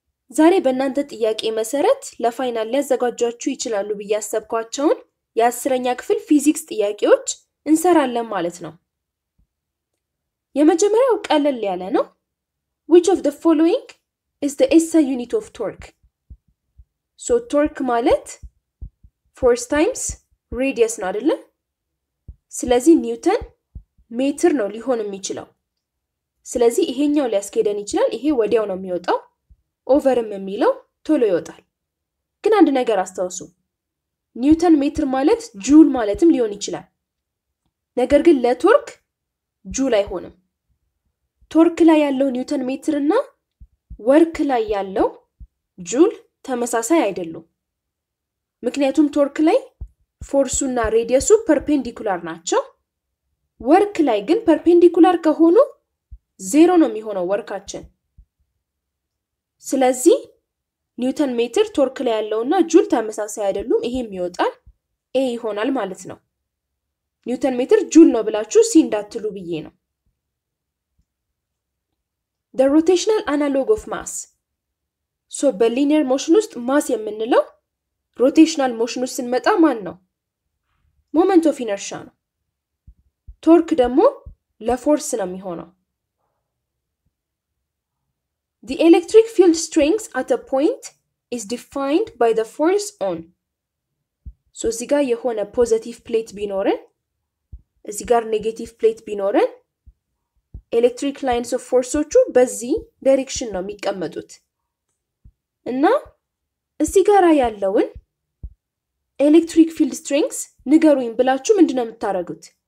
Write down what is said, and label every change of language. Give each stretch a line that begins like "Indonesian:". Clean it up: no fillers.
Amharic: ዛሬ በእናንተ ጥያቄ መሰረት ለፋይናል ያዘጋጃችሁ ይችላሉ በያሰብኳቸውን የ10ኛ ክፍል ፊዚክስ ጥያቄዎች እንሰራለን ማለት ነው። የመጀመሪያው ቀለል ያለ ነው።
English: Which of the following is the SI unit of torque?
Amharic: So torque ማለት force times radius ነው አይደል? ስለዚህ ኒውተን ሜትር ነው ሊሆን የሚችለው። ስለዚህ ይሄኛው ሊያስከደን ይችላል። ይሄ ወዲያው ነው የሚወጣው። ኦቨርም የሚለው ቶሎ ይወጣል። ግን አንድ ነገር አስተውሱ። ኒውተን ሜትር ማለት ጁል ማለትም ሊሆን ይችላል። ነገር ግን ለቶርክ ጁል አይሆንም። ቶርክ ላይ ያለው ኒውተን ሜትርና ወርክ ላይ ያለው ጁል ተመሳሳይ አይደሉም። ምክንያቱም ቶርክ ላይ ፎርሱና ሬዲየሱ ፐርፔንዲኩላር ናቸው። ወርክ ላይ ግን ፐርፔንዲኩላር ከሆኑ ዜሮ ነው የሚሆነው ወርካችን። ስለዚህ ኒውተን ሜትር ቶርክ ላይ ያለውና ጁል ተመሳሳይ አይደሉም። ይሄም ይወጣል ኤ ይሆናል ማለት ነው። ኒውተን ሜትር ጁል ነው ብላችሁ ሲ እንዳትሉ ብዬ ነው።
English: The rotational analog of mass.
Amharic: So በሊኒየር ሞሽን ውስጥ ማስ የምንለው ሮቴሽናል ሞሽን ውስጥ ስንመጣ ማን ነው? ሞመንት ኦፍ ኢነርሺያ ነው። ቶርክ ደግሞ ለፎርስ ነው የሚሆነው።
English: The electric field strength at a point is defined by the force on.
Amharic: So እዚህ ጋር የሆነ ፖዚቲቭ ፕሌት ቢኖረን እዚህ ጋር ኔጌቲቭ ፕሌት ቢኖረን electric lines of forceዎቹ በዚህ direction ነው የሚቀመጡት። እና እዚህ ጋር ያለውን electric field strength ንገሩኝ ብላችሁ ምንድነው የምታረጉት?